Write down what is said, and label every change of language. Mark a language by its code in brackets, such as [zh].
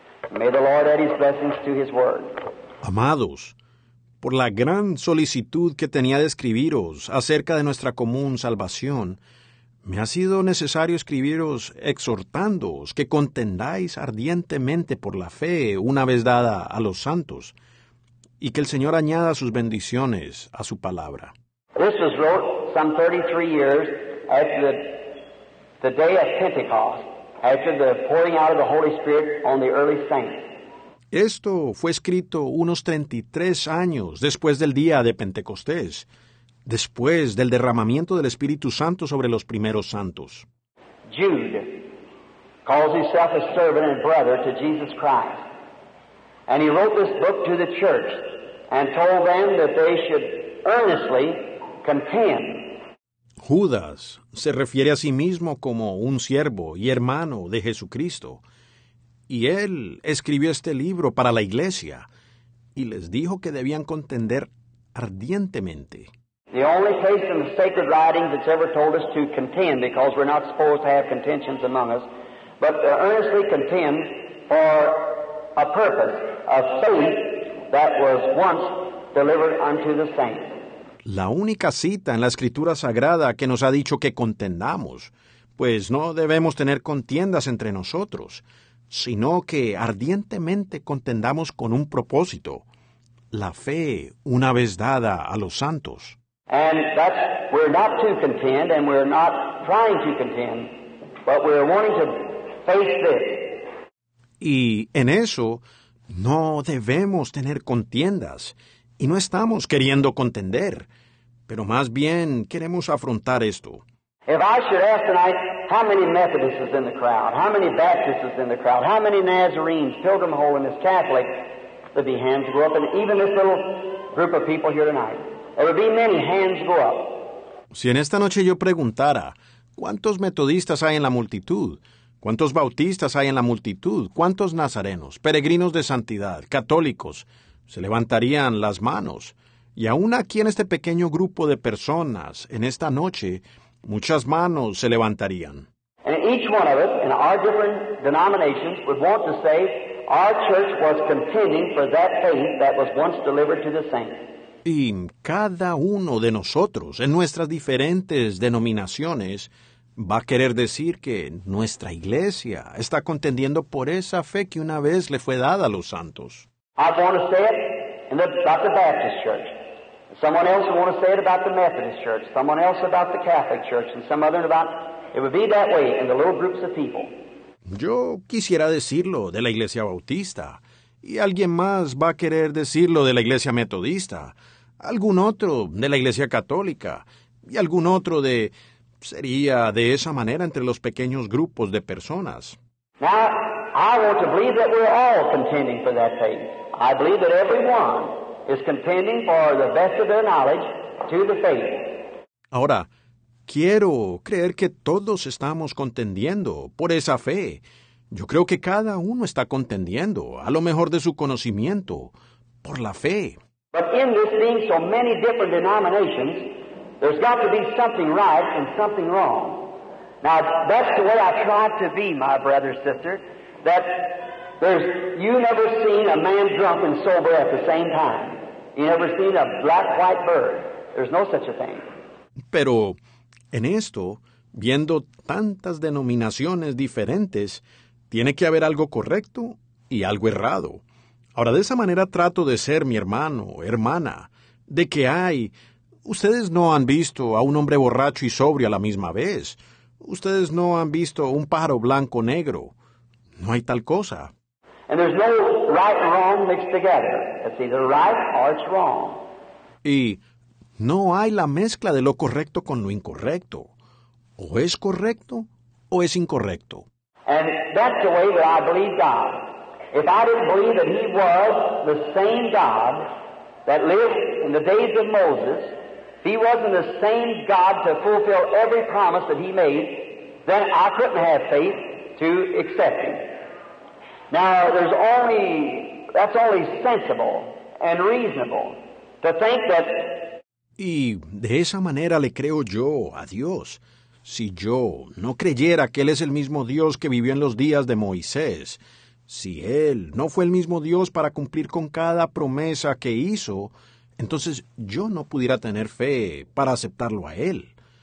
[en] May the Lord add his blessings to his word. [es] Amados, por la gran solicitud que tenía de escribiros acerca de nuestra común salvación, me ha sido necesario escribiros exhortándoos que contendáis ardientemente por la fe una vez dada a los santos y que el Señor añada sus bendiciones a su palabra. [en] This was wrote some 33 years after the day of Pentecost, after the pouring out of the Holy Spirit on the early saints. [es] Esto fue escrito unos 33 años después del día de Pentecostés, después del derramamiento del Espíritu Santo sobre los primeros santos. [en] Jude calls himself a servant and brother to Jesus Christ. And he wrote this book to the church and told them that they should earnestly contend. [es] Judas se refiere a sí mismo como un siervo y hermano de Jesucristo. Y él escribió este libro para la iglesia y les dijo que debían contender ardientemente. [en] The only place in the sacred writings that's ever told us to contend, because we're not supposed to have contentions among us, but to earnestly contend for a purpose, a faith that was once delivered unto the saints. [es] La única cita en la Escritura Sagrada que nos ha dicho que contendamos, pues no debemos tener contiendas entre nosotros, sino que ardientemente contendamos con un propósito, la fe una vez dada a los santos. [en] And that's, we're not to contend, and we're not trying to contend, but we're wanting to face this. [es] Y en eso no debemos tener contiendas, y no estamos queriendo contender, pero más bien queremos afrontar esto. [en] If I should ask tonight, how many Methodists is in the crowd? How many Baptists is in the crowd? How many Nazarenes, Pilgrim Holiness, Catholic? There'd be hands go up, and even this little group of people here tonight. There would be many hands go up. [es] Si en esta noche yo preguntara, ¿cuántos metodistas hay en la multitud? ¿Cuántos bautistas hay en la multitud? ¿Cuántos nazarenos, peregrinos de santidad, católicos? Se levantarían las manos. Y aún aquí en este pequeño grupo de personas, en esta noche, muchas manos se levantarían. [en] And each one of us, in our different denominations, would want to say, our church was contending for that faith that was once delivered to the saints. [es] Y cada uno de nosotros, en nuestras diferentes denominaciones, va a querer decir que nuestra iglesia está contendiendo por esa fe que una vez le fue dada a los santos. [en] I want to say it in the Baptist church. Someone else would want to say it about the Methodist church. Someone else about the Catholic church. And some other about... It would be that way in the little groups of people. [es] Yo quisiera decirlo de la iglesia bautista. Y alguien más va a querer decirlo de la iglesia metodista. Algún otro de la iglesia católica. Y algún otro de... Sería de esa manera entre los pequeños grupos de personas. [en] Now, I want to believe that we're all contending for that faith. I believe that everyone is contending for the best of their knowledge to the faith. [es] Ahora, quiero creer que todos estamos contendiendo por esa fe. Yo creo que cada uno está contendiendo, a lo mejor de su conocimiento, por la fe. [en] But in this being so many different denominations, there's got to be something right and something wrong. Now, that's the way I try to be, my brother, sister, that there's, you never seen a man drunk and sober at the same time. You never seen a black-white bird. There's no such a thing. [es] Pero en esto, viendo tantas denominaciones diferentes, tiene que haber algo correcto y algo errado. Ahora, de esa manera trato de ser mi hermano, hermana, de que hay... Ustedes no han visto a un hombre borracho y sobrio a la misma vez. Ustedes no han visto un pájaro blanco negro. No hay tal cosa. [en] And there's no right or wrong mixed together. It's either right or it's wrong. [es] Y no hay la mezcla de lo correcto con lo incorrecto. O es correcto o es incorrecto. [en] And that's the way that I believe God. If I didn't believe that He was the same God that lived in the days of Moses, He wasn't the same God to fulfill every promise that He made, then I couldn't have faith to accept Him. Now, there's only, that's only sensible and reasonable to think that... [es] Y de esa manera le creo yo a Dios. Si yo no creyera que Él es el mismo Dios que vivió en los días de Moisés, si Él no fue el mismo Dios para cumplir con cada promesa que hizo... Entonces, yo no pudiera tener fe para aceptarlo a Él.